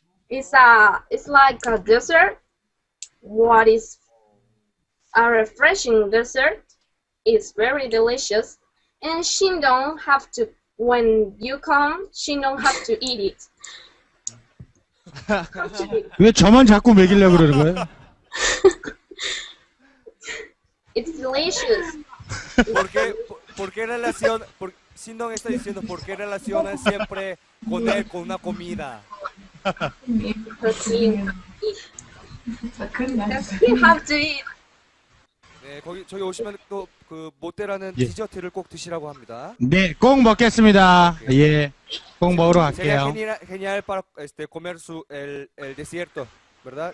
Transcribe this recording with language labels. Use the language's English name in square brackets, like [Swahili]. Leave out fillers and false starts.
[English] It's like a dessert. What is a refreshing dessert? It's very delicious. And Shindong have to, when you come, Shindong have to eat it. [Korean] 왜 저만 자꾸 먹이려고 그러는 거예요? [English] It's delicious. [Spanish] ¿Por qué relación? Shindong está diciendo ¿por qué relaciona siempre con él con una comida? [English] You have to eat. [Korean] 네, 저기 오시면 또 그 모떼라는 예. 디저트를 꼭 드시라고 합니다. 네, 꼭 먹겠습니다. 오케이. 예. 꼭 먹으러 갈게요. [Spanish] Sería genial para este comer su el desierto, ¿verdad?